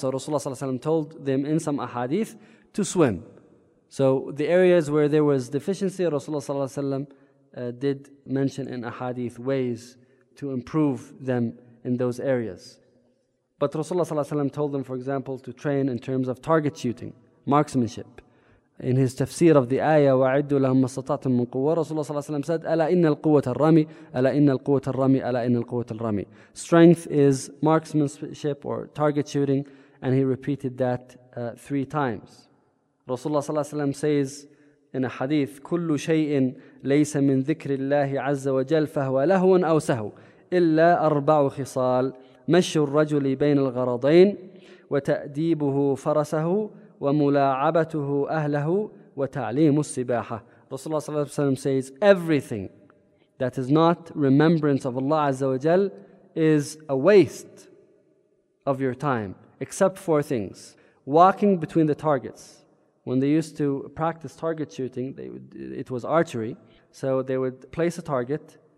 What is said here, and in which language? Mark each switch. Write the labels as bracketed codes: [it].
[en] So Rasulullah sallallahu alaihi wasallam told them in some ahadith to swim. So the areas where there was deficiency, Rasulullah sallallahu alaihi wasallam did mention in ahadith ways to improve them in those areas. But Rasulullah sallallahu alaihi wasallam told them, for example, to train in terms of target shooting, marksmanship. In his tafsir of the ayah, [ar] وَعِدُّ لَهُمْ مَسْتَطَعْتُمْ مِنْ قُوَّةٍ, [en] Rasulullah sallallahu alaihi wasallam said, [ar] أَلَا إِنَّ الْقُوَّةَ الرَّمِي, أَلَا إِنَّ الْقُوَّةَ الرَّمِي, أَلَا إِنَّ الْقُوَّةَ الرَّمِي. [en] Strength is marksmanship or target shooting, and he repeated that three times. Rasulullah sallallahu alaihi wasallam says in a hadith, [ar] كُلُّ شَيْءٍ لَيْسَ مِنْ ذِكْرِ اللَّهِ عَزَّ وَجَلْ فَهُوَ لَهُوًا أَوْ سَهُوَ إِلَّا أَرْبَعُ خِصَالٍ مَشُّ الرَّجُلِ بَيْنَ الْغَرَضَيْنِ وَتَأْدِيبُهُ فَرَسَهُ وَمُلَاعَبَتُهُ أَهْلَهُ وَتَعْلِيمُ السِّبَاحَةِ. [en] Rasulullah sallallahu alaihi wasallam says, everything that is not remembrance of Allah azza wa jal is a waste of your time, except four things. Walking between the targets. When they used to practice target shooting, it was archery, so they would place a target.